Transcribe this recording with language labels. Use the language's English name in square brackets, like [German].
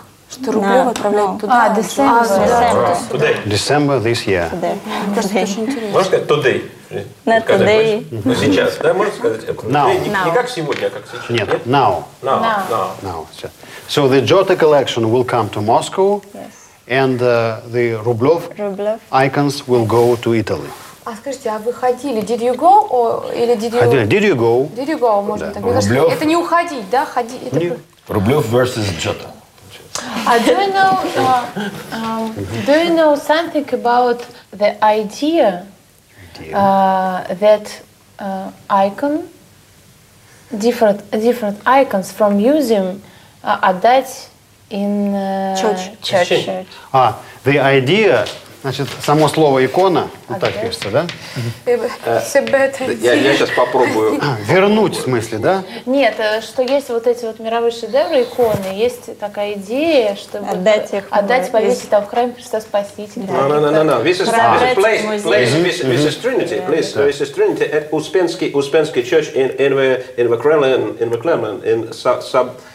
[Russian] Что Рублёв отправляет туда? [English] А, December. December this year. [Russian] Можно сказать today? [English] Not today. [Russian] Ну сейчас, да, можно сказать? [English] Now. [Russian] Не как сегодня, а как сейчас. Нет, now. [English] Now. So the Giotto collection will come to Moscow. Yes. And the Rublev icons will go to Italy. [Russian] А скажите, а вы ходили? Did you go? [English] Did you go? Did you go? Можно так. [Russian] Мне кажется, это не уходить, да? Ходить. [English] Рублев versus Giotto. Do you know something about the idea that icon different icons from museum отдать in church? The idea. [Russian] Значит, само слово икона, вот так пишется, да? Я сейчас попробую. Вернуть, в смысле, да? Нет, что есть вот эти вот мировые шедевры, иконы, есть такая идея, чтобы отдать повесить там в храме Христа Спасителя. [English] No. This is Trinity at Успенский church in the Kremlin, in sub.